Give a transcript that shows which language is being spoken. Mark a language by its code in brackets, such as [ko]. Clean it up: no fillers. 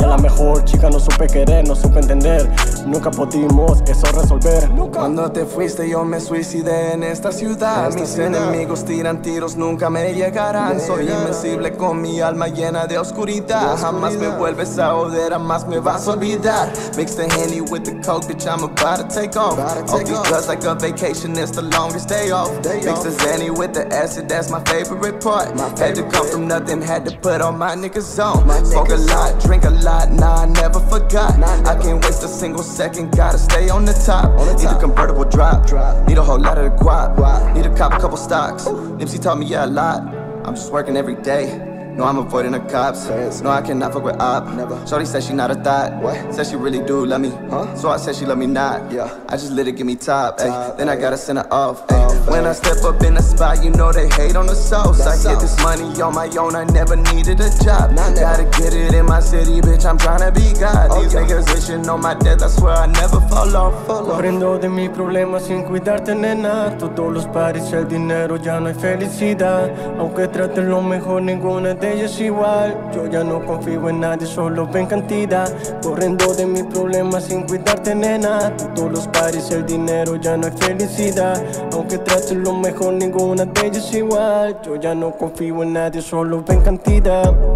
[es] A la mejor chica no supe querer, no supe entender. Nunca pudimos eso resolver. Cuando te fuiste yo me suicidé en esta ciudad. Mis enemigos tiran tiros, nunca me llegarán. Soy invencible con mi alma llena de oscuridad. Jamás me vuelves a joder, jamás me vas a olvidar. [en] Mix the Henny with the coke, bitch, I'm about to take off. All these drugs like a vacation, it's the longest day. Mix the Zanny with the acid, that's my favorite part. Had to come from nothing, had to put all my niggas on. Smoke a lot, drink a lot, nah, I never forgot. I can't waste a single second, gotta stay on the top. Need a convertible drop, need a whole lot of the guap. Need to cop a couple stocks, Nipsey taught me a lot. I'm just working every day, no, I'm avoiding the cops. No, I cannot fuck with op. Shorty said she not a thot. Said she really do love me. So I said she love me not. I just let it give me top. Then I gotta send her off. When I step up in the spot, you know they hate on the sauce. I get this money on my own, I never needed a job. Gotta get it in my city, bitch, I'm tryna be God. These niggas wishing on my death, I swear I never fall off. [es] Corriendo de mi problema sin cuidarte, nena. Todos los pares, el dinero, ya no hay felicidad. Aunque trates lo mejor, ninguna de ellas igual. Yo ya no confío en nadie, solo en cantidad. Corriendo de mis problemas sin cuidarte, nena. Todos los pares, el dinero, ya no hay felicidad. Aunque trates lo mejor, ninguna de ellas igual. Yo ya no confío en nadie, solo en cantidad.